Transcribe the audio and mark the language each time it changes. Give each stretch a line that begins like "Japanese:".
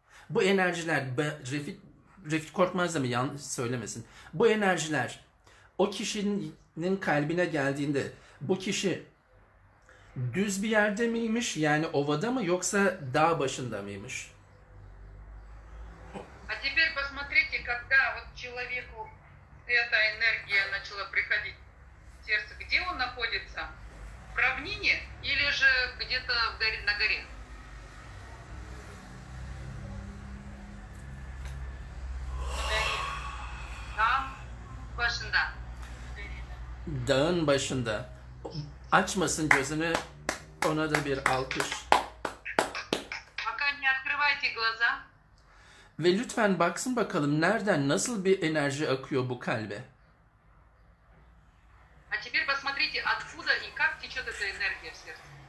Turkish: Bu enerjiler Refik Korkmaz da mı yanlış söylemesin. Bu enerjiler o kişinin kalbine geldiğinde bu kişi düz bir yerde miymiş, yani ovada mı yoksa dağ başında mıymış?
Russian: А теперь посмотрите, когда вот человеку эта энергия начала приходить в сердце, где он находится? В равнине или же где-то в горе, на горе?
Turkish: Там başında. Dağın başında. Açmasın gözünü. Ona da bir alkış.
Russian: Пока не открывайте глаза.
Turkish: Ve lütfen baksın bakalım nereden nasıl bir enerji akıyor bu kalbe.
Russian: А теперь посмотрите, откуда и как течет эта энергия в сердце.